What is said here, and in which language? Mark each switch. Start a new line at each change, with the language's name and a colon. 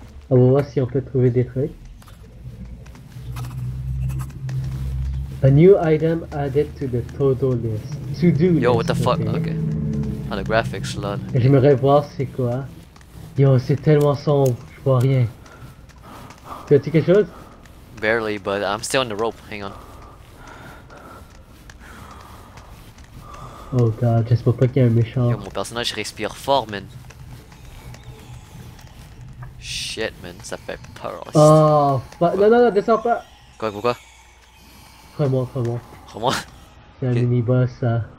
French: On va voir si on peut trouver des trucs.
English: A new item added to the total list. To do list. Yo, what the fuck? Okay. Oh, the graphics, lol.
French: J'aimerais voir c'est quoi. Yo, c'est tellement sombre, je vois rien. Tu as-tu quelque chose?
English: Barely, but I'm still on the rope, hang on.
French: Oh god, j'espère pas qu'il y a un méchant. Yo, mon personnage respire fort, man. Shit, man, ça fait peur. Oh, non, descends pas. Quoi, pourquoi? Prends-moi. C'est un okay. Mini-boss, ça.